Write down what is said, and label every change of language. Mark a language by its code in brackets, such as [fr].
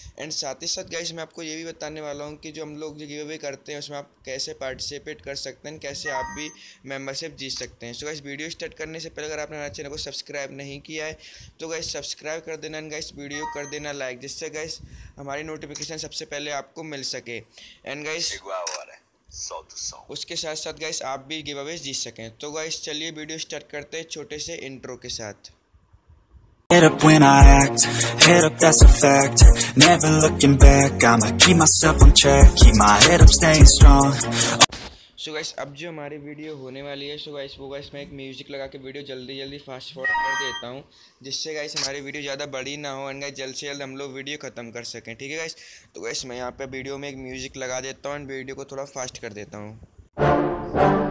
[hi] And साथ ही साथ guys, मैं आपको ये भी बताने वाला हूँ कि जो हम लोग जो गिव अवे करते हैं उसमें आप कैसे पार्टिसिपेट कर सकते हैं, कैसे आप भी मेंबरशिप जीत सकते हैं। सो गाइस, वीडियो स्टार्ट करने से पहले अगर आपने हमारे चैनल सब्सक्राइब नहीं किया है तो गाइस सब्सक्राइब कर देना, एंड गाइस वीडियो कर देना लाइक, जिससे गाइस हमारी नोटिफिकेशन सबसे पहले आपको मिल सके। एंड गाइस उसके साथ साथ गाइस आप भी गिव अवेज जीत सकें। तो गाइस चलिए वीडियो स्टार्ट करते हैं छोटे से इंट्रो के साथ। [en] Head up when I act, head up that's a fact, never looking back, I'ma keep myself on track, keep my head up staying strong. [hi] So guys, अब जो हमारी वीडियो होने वाली है, सो गाइस वो गाइस मैं एक म्यूजिक लगा के वीडियो जल्दी जल्दी फास्ट फॉरवर्ड कर देता हूँ, जिससे गाइस हमारी वीडियो ज़्यादा बड़ी ना हो एंड गाइस जल्द से जल्द हम लोग वीडियो ख़त्म कर सकें। ठीक है गाइस, तो गाइस मैं यहाँ पे वीडियो में एक म्यूजिक लगा देता हूँ एंड वीडियो को थोड़ा फास्ट कर देता हूँ।